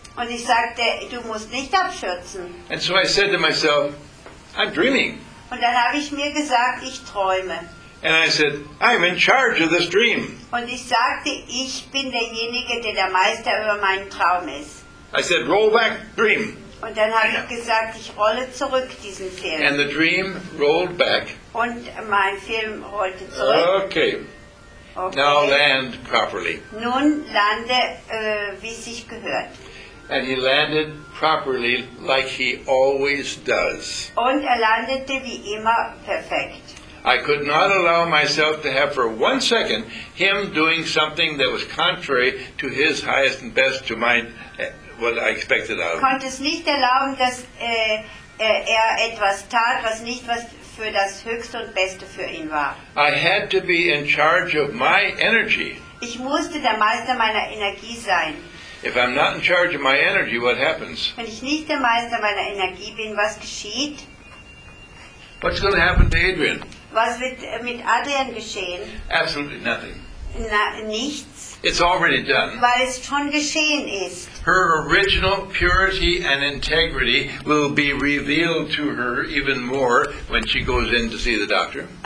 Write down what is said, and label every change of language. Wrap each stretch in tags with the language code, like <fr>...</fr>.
<de>Und ich sagte, du musst nicht abstürzen.</de> <en>And so I said to myself, I'm dreaming.</en> <de>Und dann habe ich mir gesagt, ich träume.</de> <en>And I said, I'm in charge of this dream.</en> <de>Und ich sagte, ich bin derjenige, der Meister über meinen Traum ist.</de> <en>I said, roll back, dream.</en> <de>Und dann habe ich gesagt, ich rolle zurück diesen Film.</de> <en>And the dream rolled back.</en> <de>Und mein Film rollte zurück.</de> <en>Okay. Now land properly.</en> <de>Nun lande, wie sich gehört.</de> <en>And he landed properly, like he always does.</en> <de>Und landete wie immer perfekt.</de> <en>I could not allow myself to have for one second him doing something that was contrary to his highest and best, to my what I expected out of him.</en> <de>Konnte es nicht erlauben, dass er etwas tat, was nicht was für das Höchste und Beste für ihn war.</de> <en>I had to be in charge of my energy.</en> <de>Ich musste der Meister meiner Energie sein.</de> <en>If I'm not in charge of my energy, what happens?</en> <de>Wenn ich nicht der Meister meiner Energie bin, was geschieht?</de> <en>What's going to happen to Adrian?</en> <de>Was wird mit Adrian geschehen?</de> <en>Absolutely nothing.</en> <de>Nichts.</de> <en>It's already done.</en> <de>Weil es schon geschehen ist.</de> <en>Her original purity and integrity will be revealed to her even more when she goes in to see the doctor.</en>